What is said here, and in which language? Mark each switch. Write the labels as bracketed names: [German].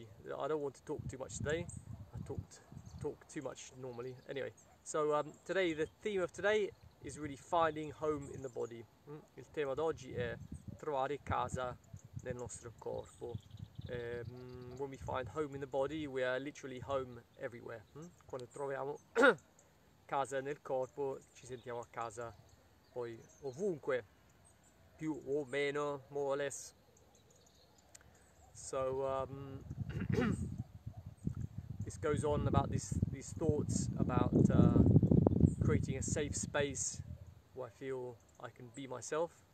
[English] I don't want to talk too much today. I talk too much normally. Anyway, so today, the theme of today is really finding home in the body. [Italian] Il tema d'oggi è trovare casa nel nostro corpo. [English] When we find home in the body, we are literally home everywhere. [Italian] Quando troviamo casa nel corpo, ci sentiamo a casa poi ovunque, più o meno, [English] more or less. So this goes on about these thoughts about creating a safe space where I feel I can be myself.